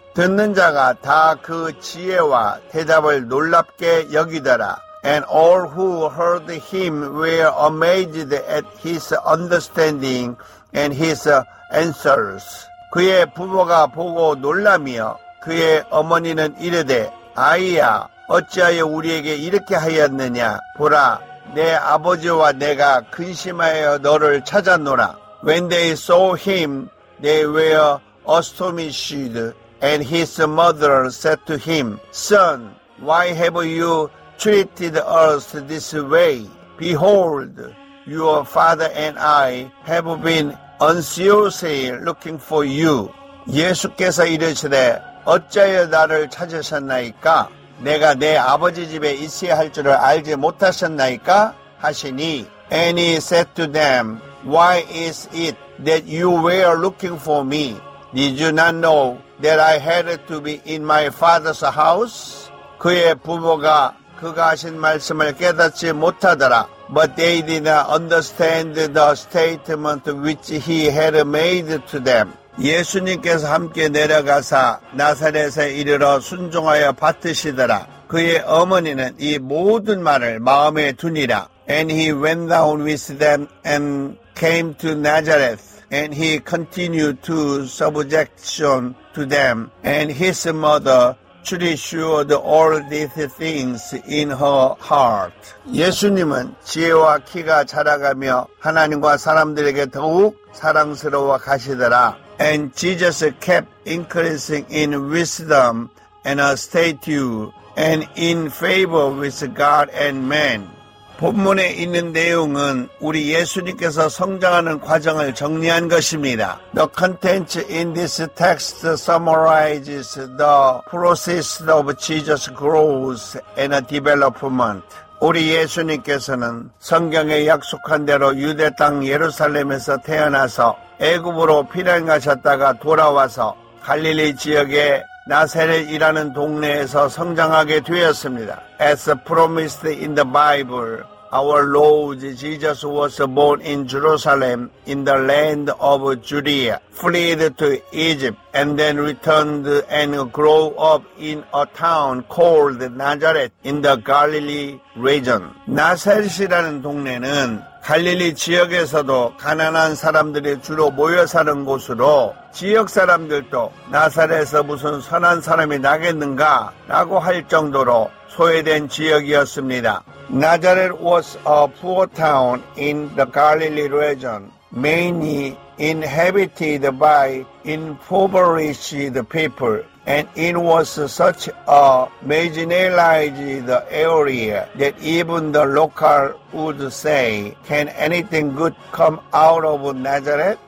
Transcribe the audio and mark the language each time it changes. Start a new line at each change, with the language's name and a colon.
Korean: 듣는 자가 다 그 지혜와 대답을 놀랍게 여기더라.
English: And all who heard him were amazed at his understanding and his answers.
Korean: 그의 부모가 보고 놀라며 그의 어머니는 이르되, 아이야, 어찌하여 우리에게 이렇게 하였느냐? 보라, 내 아버지와 내가 근심하여 너를 찾았노라.
English: When they saw him, they were astonished, and his mother said to him, Son, why have you treated us this way? Behold, your father and I have been anxiously looking for you.
Korean: 예수께서 이르시되, 어찌하여 나를 찾으셨나이까? 내가 내 아버지 집에 있어야 할 줄을 알지 못하셨나이까? 하시니
English: And he said to them, Why is it that you were looking for me? Did you not know that I had to be in my father's house?
Korean: 그의 부모가 그가 하신 말씀을 깨닫지 못하더라.
English: But they did not understand the statement which he had made to them.
Korean: 예수님께서 함께 내려가사 나사렛에 이르러 순종하여 받으시더라. 그의 어머니는 이 모든 말을 마음에 두니라.
English: And he went down with them and came to Nazareth. And he continued to subjection to them. And his mother truly showed all these things in her heart.
Korean: 예수님은 지혜와 키가 자라가며 하나님과 사람들에게 더욱 사랑스러워 가시더라.
English: And Jesus kept increasing in wisdom and stature and in favor with God and man.
Korean: 본문에 있는 내용은 우리 예수님께서 성장하는 과정을 정리한 것입니다.
English: The content in this text summarizes the process of Jesus' growth and development.
Korean: 우리 예수님께서는 성경에 약속한 대로 유대 땅 예루살렘에서 태어나서 애굽으로 피난 가셨다가 돌아와서 갈릴리 지역의 나사렛이라는 동네에서 성장하게 되었습니다.
English: As promised in the Bible, Our Lord Jesus was born in Jerusalem in the land of Judea, fled to Egypt, and then returned and grew up in a town called Nazareth in the Galilee region.
Korean: 나사렛이라는 동네는 갈릴리 지역에서도 가난한 사람들이 주로 모여 사는 곳으로 지역 사람들도 나사렛에서 무슨 선한 사람이 나겠는가 라고 할 정도로 소외된 지역이었습니다.
English: Nazareth was a poor town in the Galilee region, mainly inhabited by impoverished people, and it was such a marginalized area that even the local would say, Can anything good come out of Nazareth?